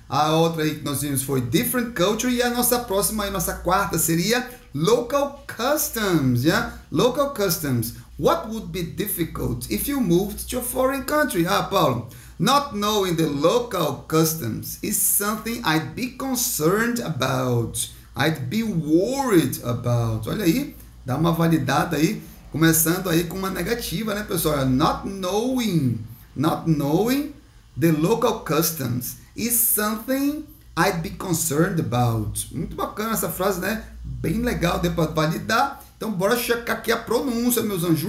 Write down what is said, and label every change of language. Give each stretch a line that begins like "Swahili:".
Portuguese: A outra aí que nós vimos foi different culture e a nossa próxima aí, nossa quarta seria local customs, yeah?
English: Local customs. What would be difficult if you moved to a foreign country? Ah, Paulo, Not knowing the local customs is something I'd be concerned about. I'd be worried about.
Portuguese: Olha aí, dá uma validada aí, começando aí com uma negativa, né, pessoal?
English: Not knowing the local customs is something I'd be concerned about.
Portuguese: Muito bacana essa frase, né? Bem legal, deu para validar. Então, bora checar aqui a pronúncia, meus anjos.